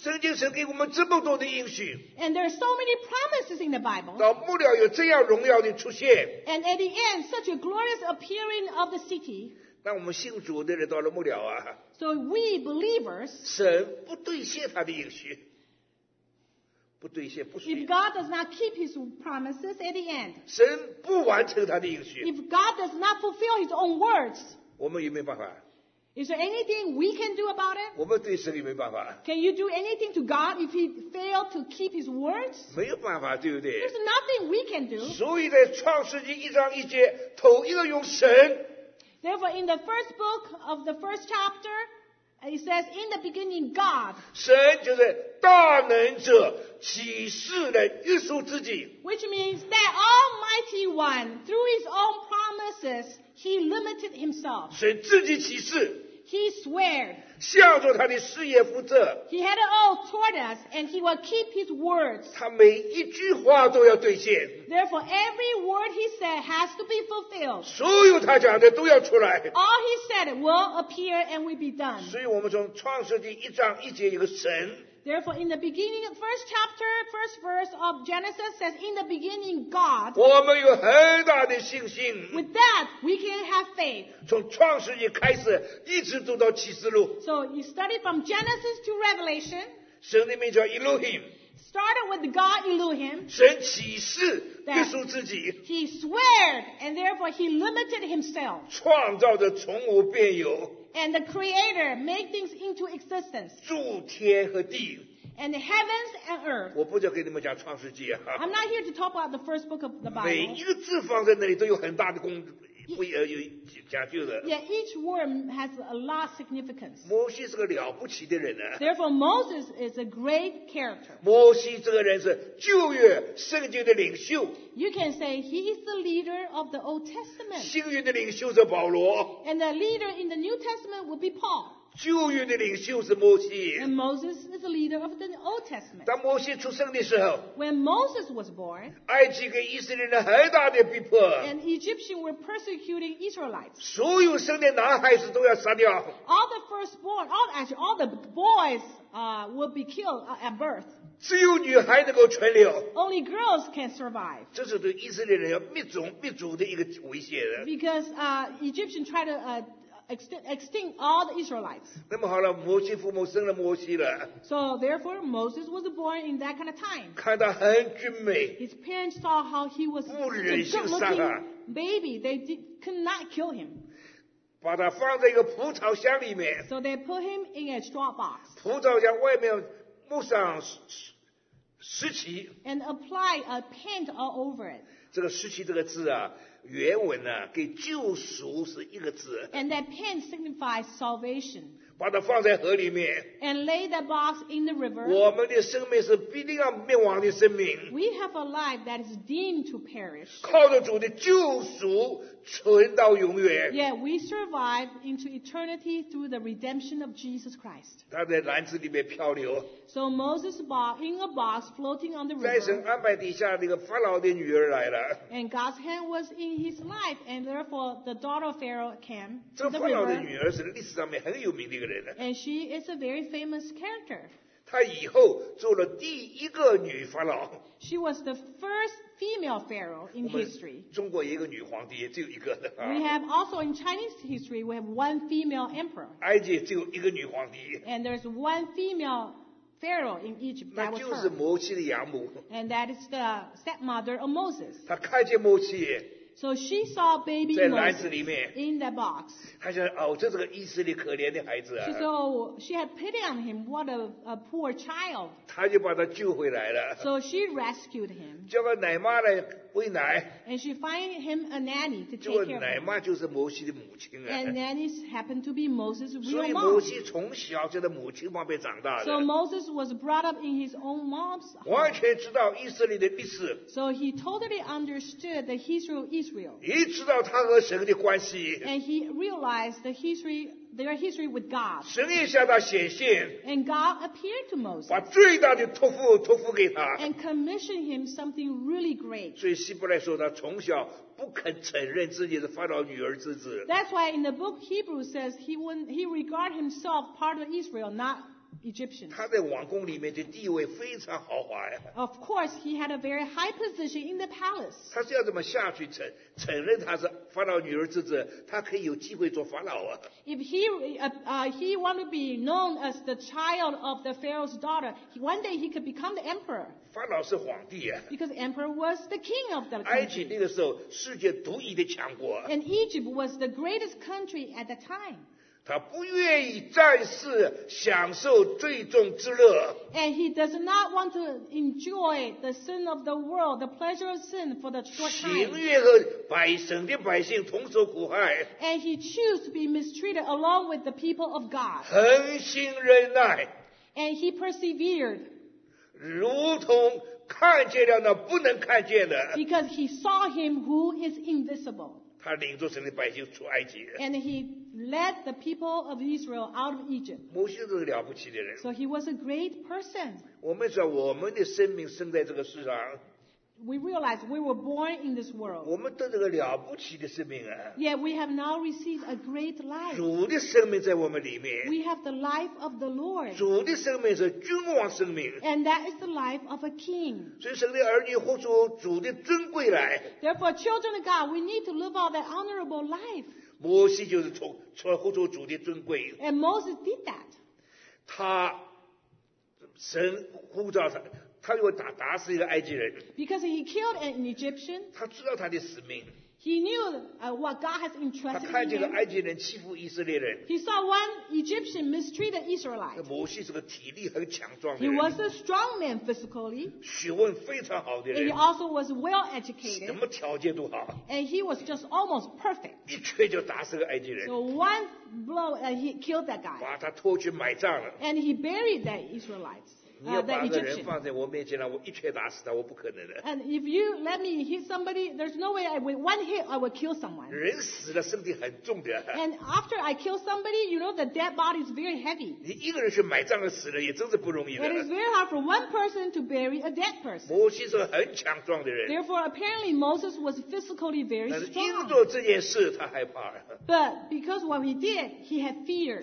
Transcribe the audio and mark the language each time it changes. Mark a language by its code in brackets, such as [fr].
[zh] 圣经神给我们这么多的应许。 [en] And there are so many promises in the Bible. [zh] 到末了有这样荣耀的出现。 [en] And at the end, such a glorious appearing of the city. [zh] 当我们信主的人到了末了啊。 [en] So we believers. [zh] 神不兑现他的应许。不兑现不属于 [en] If God does not keep his promises at the end, [zh] 神不完成他的应许 [en] If God does not fulfill his own words, [zh] 我们有没有办法 [en] Is there anything we can do about it? [zh] 我们对神有没有办法 [en] Can you do anything to God if he failed to keep his words? [zh] 没有办法对不对 [en] There's nothing we can do. [zh] 所以在创世纪一章一节头一个用神 [en] Therefore in the first book of the first chapter,It says, in the beginning, God. [zh] 神就是大能者启示来约束自己。 [en] Which means that Almighty One, through his own promises, he limited himself. [zh] 神自己启示。 [en] He sweared. [zh] 向着他的誓言负责。 [en] He had an oath toward us, and he will keep his words. [zh] 他每一句话都要兑现。 [en] Therefore, every word he said has to be fulfilled. [zh] 所有他讲的都要出来。 [en] All he said will appear and will be done. [zh] 所以我们从创世纪一章一节有个神。 [en] Therefore, in the beginning, first chapter, first verse of Genesis says, in the beginning, God. [zh] 我们有很大的信心。 [en] With that, we can have faith. [zh] 从创世纪开始一直读到启示录。 [en] So you study from Genesis to Revelation. [zh] 神的名叫 Elohim. [en] Started with God Elohim. [zh] 神启示约束自己。 [en] He sweared, and therefore he limited himself. [zh] 创造的从无变有。 [en] And the creator made things into existence. [zh] 诸天和地。 [en] And the heavens and earth. [zh] 我不再给你们讲创世纪啊。 [en] I'm not here to talk about the first book of the Bible. [zh] 每一个字放在那里都有很大的功有讲究的。 [en] Yeah, each word has a lot of significance. [zh] 摩西是个了不起的人呢。 [en] Therefore, Moses is a great character. [zh] 摩西这个人是旧约圣经的领袖。 [en] You can say he is the leader of the Old Testament. [zh] 新约的领袖是保罗。 [en] And the leader in the New Testament would be Paul. [zh] 旧约的领袖是摩西。 [en] And Moses is the leader of the Old Testament. [zh] 当摩西出生的时候。 [en] When Moses was born. [zh] 埃及跟以色列人很大的逼迫。 [en] And Egyptians were persecuting Israelites. [zh] 所有生的男孩子都要杀掉。 [en] All the firstborn, all the boys, will be killed at birth. [zh] 只有女孩能够存留。 [en] Only girls can survive. [zh] 这是对以色列人要灭种灭族的一个威胁的。 [en] Because Egyptians try to extinct all the Israelites. [zh] 那么好了，摩西父母生了摩西了。 [en] So therefore, Moses was born in that kind of time. [zh] 看他很俊美。 [en] His parents saw how he was a good-looking baby. They could not kill him. [zh] 把他放在一个葡萄箱里面。 [en] So they put him in a straw box. [zh] 葡萄箱外面。木上石旗 [en] and apply a paint all over it. [zh] 这个石旗这个字啊，原文呢，给救赎是一个字。 [en] And that pen signifies salvation. [zh] 把它放在河里面。 [en] And lay the box in the river. [zh] 我们的生命是必定要灭亡的生命。 [en] We have a life that is deemed to perish. [zh] 靠着主的救赎存到永远。 [en] Yeah, we survive into eternity through the redemption of Jesus Christ. [zh] 它在篮子里面漂流。 [en] So Moses in a box floating on the river. [zh] 在神安排底下，那个法老的女儿来了。 [en] And God's hand was in his life, and therefore the daughter of Pharaoh came. [zh] 这法老的女儿是历史上面很有名的一个人。 [en] And she is a very famous character. [zh] 她以后做了第一个女法老。 [en] She was the first female pharaoh in history. [zh] 中国一个女皇帝也只有一个的。 [en] We have also in Chinese history we have one female emperor. [zh] 埃及只有一个女皇帝。 [en] And there's one female. Pharaoh in Egypt, that was her. And that is the stepmother of Moses. [zh] 她看见摩西。 [en] So she saw baby Moses in that box. [zh] 她想，哦，这是个以色列可怜的孩子啊。 [en] So she had pity on him. What a poor child. [zh] 她就把他救回来了。 [en] So she rescued him. [zh] 叫个奶妈来喂奶。 [en] And she find him a nanny to take care of him. [zh] 奶妈就是摩西的母亲啊。 [en] And nanny happened to be Moses' real mom. [zh] 所以摩西从小就在母亲旁边长大的。 [en] So Moses was brought up in his own mom's home. [zh] 完全知道以色列的历史。 [en] So he totally understood the history of Israel. [zh] 也知道他和神的关系。 [en] And he realized the history, their history with God. [zh] 神也向他显现。 [en] And God appeared to Moses. [zh] 把最大的托付给他。 [en] And commissioned him something really great. [zh] 所以希伯来说他从小不肯承认自己是法老女儿之子。 [en] That's why in the book Hebrew says he regard himself part of Israel, not Egyptians. [zh] 他在王宫里面的地位非常豪华呀。 [en] Of course, he had a very high position in the palace. [zh] 他是要怎么下去承认他是法老女儿之子，他可以有机会做法老啊。 [en] If he want to be known as the child of the Pharaoh's daughter, one day he could become the emperor. [zh] 法老是皇帝啊。 [en] Because emperor was the king of the country. [zh] 埃及那个时候世界独一的强国。 [en] And Egypt was the greatest country at the time. [zh] 他不愿意再次享受最终之乐。 [en] And he does not want to enjoy the sin of the world, the pleasure of sin for the short time. [zh] 情愿和百省的百姓同受苦害。 [en] And he chooses to be mistreated along with the people of God. [zh] 恒心忍耐。 [en] And he persevered. [zh] 如同看见了那不能看见的。 [en] Because he saw him who is invisible. [zh] 他领着神的百姓出埃及。 [en] And he led the people of Israel out of Egypt. [zh] 摩西是个了不起的人。 [en] So he was a great person. [zh] 我们说我们的生命生在这个世上。 [en] We realize we were born in this world. [zh] 我们得这个了不起的生命啊。 [en] Yet we have now received a great life. [zh] 主的生命在我们里面。 [en] We have the life of the Lord. [zh] 主的生命是君王生命。 [en] And that is the life of a king. [zh] 所以神的儿女活出主的尊贵来。 [en] Therefore, children of God, we need to live out that honorable life. [zh] 摩西就是活出主的尊贵。 [en] And Moses did that. [zh] 他神呼召他。他又打死一个埃及人。 [en] Because he killed an Egyptian. [zh] 他知道他的使命。 [en] He knew what God has entrusted him. [zh] 他看见了埃及人欺负以色列人。 [en] He saw one Egyptian mistreat the Israelite. [zh] 摩西是个体力很强壮的 [en] 人。He was a strong man physically. [zh] 学问非常好的人。 [en] And he also was well educated. [zh] 什么条件都好。 [en] And he was just almost perfect. [zh] 一锤就打死个埃及人。 [en] So one blow and he killed that guy. [zh] 把他拖去埋葬了。 [en] And he buried that Israelite. [zh] 你要把个人放在我面前来，我一拳打死他，我不可能的。 [en] And if you let me hit somebody, there's no way I with one hit I will kill someone. [zh] 人死了，身体很重的。 [en] And after I kill somebody, you know the dead body is very heavy. [zh] 你一个人去埋葬死了，也真是不容易的。 [en] And it's very hard for one person to bury a dead person. [zh] 摩西是很强壮的人。 [en] Therefore, apparently Moses was physically very strong. [zh] 但是因为这件事，他害怕。 [en] But because what he did, he had fear.